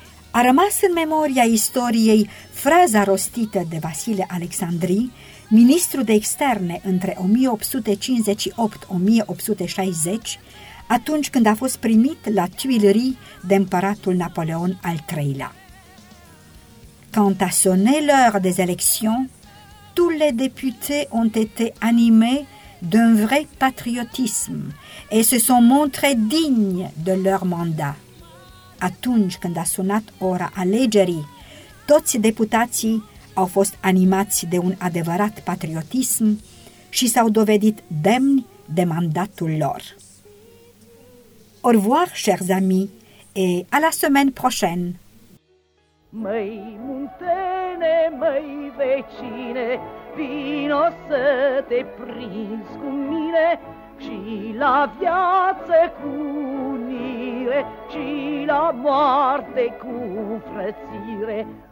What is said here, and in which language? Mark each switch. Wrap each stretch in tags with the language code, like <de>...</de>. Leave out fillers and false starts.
<ro>A rămas în memoria istoriei fraza rostită de Vasile Alexandri, ministru de externe între 1858-1860, atunci când a fost primit la Tuileries de împăratul Napoleon al III-lea.</ro> <fr>Quand a sonné l'heure des élections, tous les députés ont été animés d'un vrai patriotisme et se sont montrés dignes de leur mandat.</fr> <ro>Atunci când a sunat ora alegerii, toți deputații au fost animați de un adevărat patriotism și s-au dovedit demni de mandatul lor.</ro> <fr>Au revoir, chers amis, et à la semaine prochaine!</fr> <ro>Măi muntene, măi vecine, vino să te prinzi cu mine și la viață cu unire și la moarte cu frățire.</ro>